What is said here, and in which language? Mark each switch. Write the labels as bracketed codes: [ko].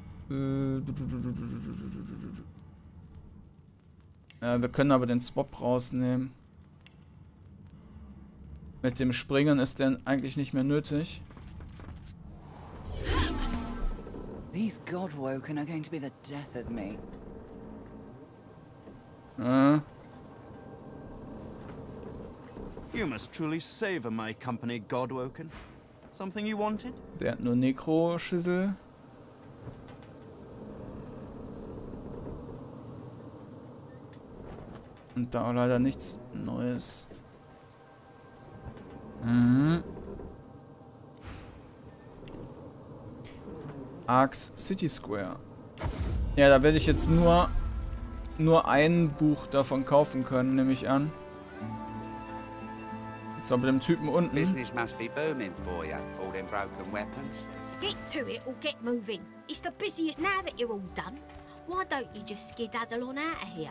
[de] Ja, wir können aber den Swap rausnehmen. Mit dem Springen ist der eigentlich nicht mehr nötig. [en] These Godwoken are going to be the death of me. You must truly savor my company, Godwoken. Something you wanted? [de] Der hat nur Nekro-Schüssel. Und da leider nichts Neues. [en] Arx City Square. [de] Ja, da werde ich jetzt nur ein Buch davon kaufen können, nehme ich an. So, mit dem Typen unten. [en] Business must be booming for you, all them broken weapons. Get to it or get moving. It's the busiest now that you're all done. Why don't you just skedaddle on out of here?